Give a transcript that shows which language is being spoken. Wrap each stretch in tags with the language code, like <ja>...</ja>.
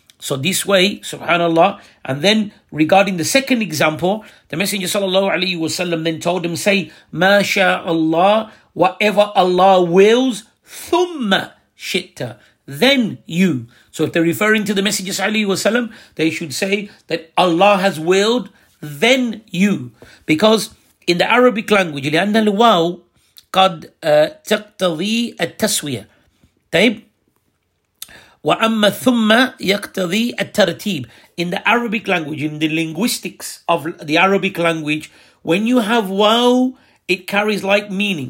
<en>So this way, subhanAllah, and then regarding the second example, the Messenger sallallahu alayhi wa sallam then told him, say, Ma sha Allah, whatever Allah wills, thumma shitta, then you. So if they're referring to the Messenger sallallahu alayhi wa sallam, they should say that Allah has willed, then you. Because in the Arabic language,</en> <ar>لأن الواو قد تقتضي التسوية. طيب؟ وَأَمَّا ثُمَّ يَقْتَذِي التَّرْتِيبِ.</ar> <en>In the Arabic language, in the linguistics of the Arabic language, when you have waw, it carries like meaning.</en>